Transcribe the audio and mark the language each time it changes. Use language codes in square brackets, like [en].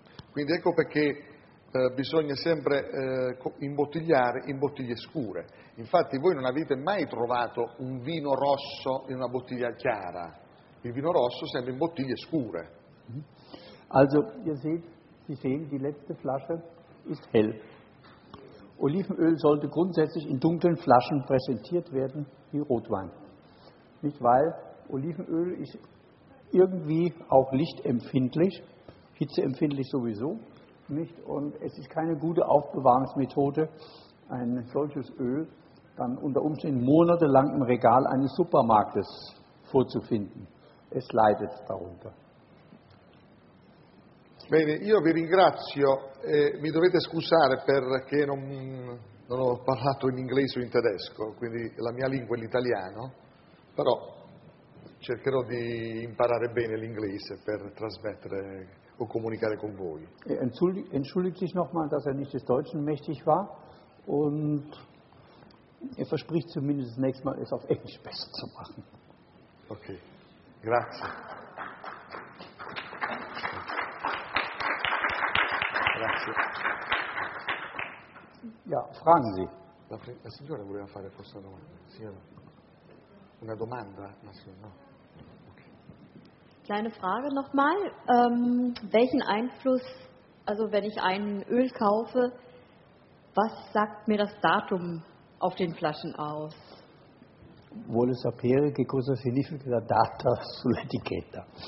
[it] Quindi ecco perché bisogna sempre imbottigliare in bottiglie scure. Infatti voi non avete mai trovato un vino rosso in una bottiglia chiara. Il vino rosso sempre in bottiglie scure. [de] Also, ihr seht, Sie sehen, die letzte Flasche ist hell. Olivenöl sollte grundsätzlich in dunklen Flaschen präsentiert werden, wie Rotwein. Nicht, weil Olivenöl ist irgendwie auch lichtempfindlich, hitzeempfindlich sowieso. Nicht? Und es ist keine gute Aufbewahrungsmethode, ein solches Öl dann unter Umständen monatelang im Regal eines Supermarktes vorzufinden. Es leidet darunter. [it] Bene, io vi ringrazio e mi dovete scusare perché non ho parlato in inglese o in tedesco, quindi la mia lingua è l'italiano, però cercherò di imparare bene l'inglese per trasmettere o comunicare con voi. [de] Entschuldigt sich nochmal, dass nicht des Deutschen mächtig war und Er verspricht zumindest nächstes Mal, es auf Englisch besser zu machen. [it] Okay, grazie. Grazie. [de] Ja, fragen Sie. [it] La signora voleva fare forse una domanda. Signora, una domanda? No. [de] Kleine Frage nochmal. Welchen Einfluss, also wenn ich ein Öl kaufe, was sagt mir das Datum auf den Flaschen aus? [it] Vuole sapere che cosa significa la data sull'etichetta.